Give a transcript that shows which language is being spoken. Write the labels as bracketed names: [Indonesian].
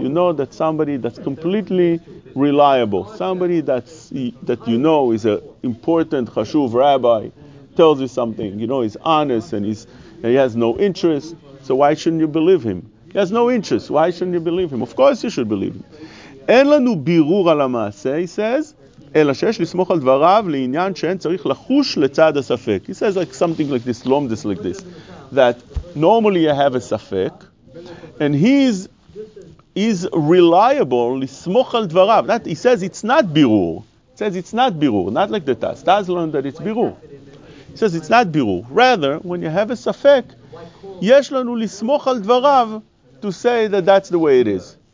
[English] You know that somebody that's completely reliable, somebody that you know is an important chashuv rabbi, tells you something, you know, he's honest and he has no interest, so why shouldn't you believe him? He has no interest, why shouldn't you believe him? Of course you should believe him. [Hebrew] Ein lanu birur al ha'maaseh, [English] he says, [Hebrew] אלא שיש לסמוך על דבריו לעניין שאין צריך לחוש לצד הספק. [English] He says like something like this, lomdes like this, that normally you have a ספק, and he's reliable [Hebrew] לסמוך על דבריו. [English] That he says it's not birur. He says it's not birur, not like the Taz. Taz learned that it's birur. He says it's not birur. Rather, when you have a ספק, [Hebrew] יש לנו לסמוך על דבריו [English] to say that that's the way it is.